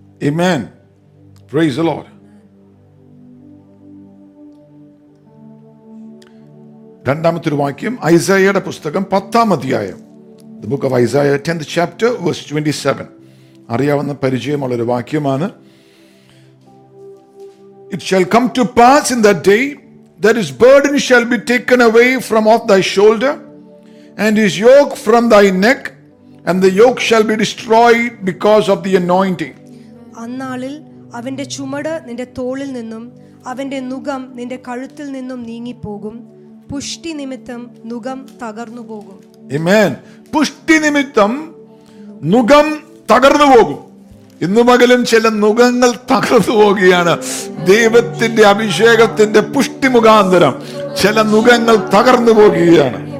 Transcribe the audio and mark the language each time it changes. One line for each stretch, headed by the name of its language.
English: ആമേൻ. Praise the lord. 2
Malayalam: ഐസായയുടെ പുസ്തകം
English: 10 The book of Isaiah, 10th chapter, verse 27.
Malayalam: അറിയാവുന്ന പരിചയമുള്ള ഒരു വാക്യമാണ്.
English: It shall come to pass in that day that his burden shall be taken away from off thy shoulder and his yoke from thy neck, and the yoke shall be destroyed because of the anointing.
Malayalam: അന്നാളിൽ അവന്റെ ചുമട് നിന്റെ തോളിൽ നിന്നും അവന്റെ നുകം നിന്റെ കഴുത്തിൽ നിന്നും നീങ്ങിപ്പോകും. പുഷ്ടി നിമിത്തം നുകം തകർന്നു പോകും. Amen. പുഷ്ടി നിമിത്തം നുകം തകർന്നു പോകും. ഇന്ന് പകലും ചില നുകങ്ങൾ തകർന്നു പോവുകയാണ്. ദൈവത്തിന്റെ അഭിഷേകത്തിന്റെ പുഷ്ടി മുഖാന്തരം ചില നുകങ്ങൾ തകർന്നു പോകുകയാണ്.